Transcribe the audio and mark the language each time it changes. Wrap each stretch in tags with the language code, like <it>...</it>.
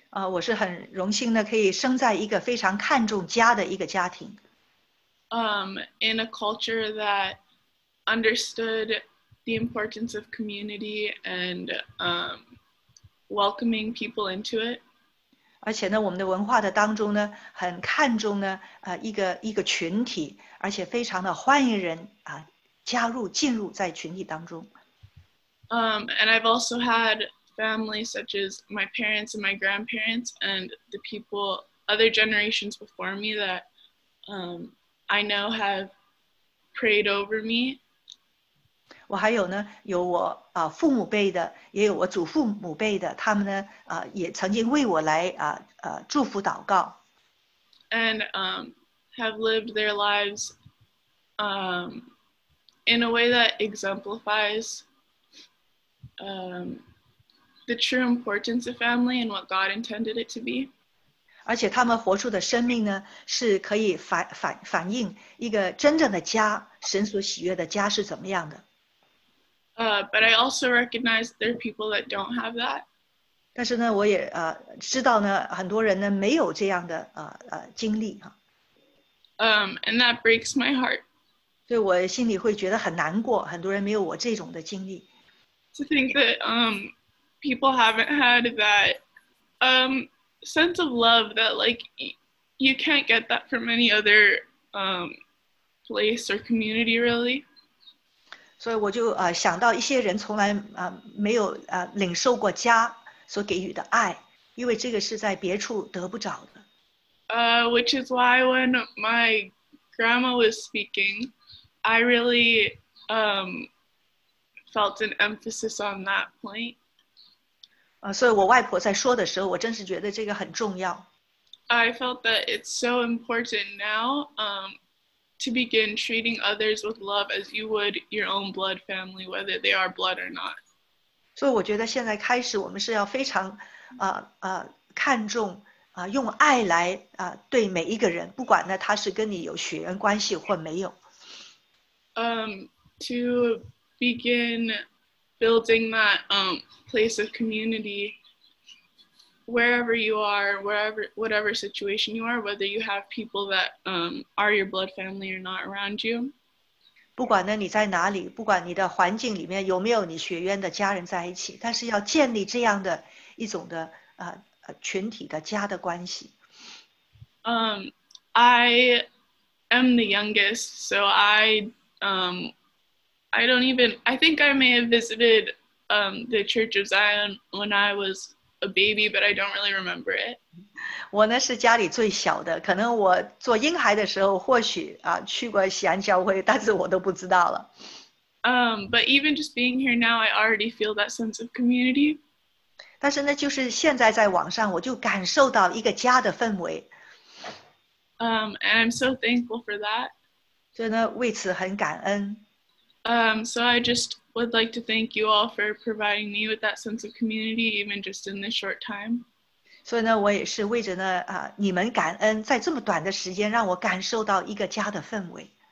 <zh>我是很荣幸的可以生在一个非常看重家的一个家庭。</zh> <en>In a culture that understood the importance of community and welcoming people into it.</en> <zh>而且呢，我们的文化的当中呢，很看重呢，一个群体，而且非常的欢迎人加入进入在群体当中。</zh> <en>And I've also had family such as my parents and my grandparents and the people other generations before me that I know have prayed over me.</en> <zh>我还有呢，有我父母辈的，也有我祖父母辈的，他们呢也曾经为我来祝福祷告。</zh> <en>And have lived their lives in a way that exemplifies the true importance of family and what God intended it to be.</en> <zh>而且他们活出的生命呢，是可以反映一个真正的家，神所喜悦的家是怎么样的。</zh> <en>But I also recognize there are people that don't have that.</en> <zh>但是呢，我也知道呢，很多人呢没有这样的经历哈。</zh> <en>And that breaks my heart.</en> <zh>所以我心里会觉得很难过，很多人没有我这种的经历。</zh> <en>To think that people haven't had that sense of love that like you can't get that from any other place or community really.</en> <zh>所以我就想到一些人从来没有领受过家所给予的爱，因为这个是在别处得不着的。</zh> <en>Which is why when my grandma was speaking, I really felt an emphasis on that point.</en> <zh>所以我外婆在说的时候，我真是觉得这个很重要。</zh> <en>I felt that it's so important now to begin treating others with love as you would your own blood family, whether they are blood or not.</en> <zh>所以我觉得现在开始，我们是要非常看重用爱来对每一个人，不管呢他是跟你有血缘关系或没有。</zh> <en>To begin building that place of community wherever you are, whatever situation you are, whether you have people that are your blood family or not around you.</en> <zh>不管呢你在哪里，不管你的环境里面有没有你血缘的家人在一起，但是要建立这样的一种的群体的家的关系。</zh> <en>I am the youngest, so I don't even, I think I may have visited the Church of Zion when I was a baby, but I don't really remember it.</en> <zh>我呢是家里最小的，可能我做婴孩的时候或许去过锡安教会，但是我都不知道了。</zh> <en>But even just being here now, I already feel that sense of community.</en> <zh>但是呢就是现在在网上我就感受到一个家的氛围。</zh> <en>And I'm so thankful for that.</en> <zh>真的, 为此很感恩。</zh> <en>So I just would like to thank you all for providing me with that sense of community, even just in this short time.</en> <zh>所以呢, 我也是为着呢, 你们感恩, 在这么短的时间, 让我感受到一个家的氛围。</zh>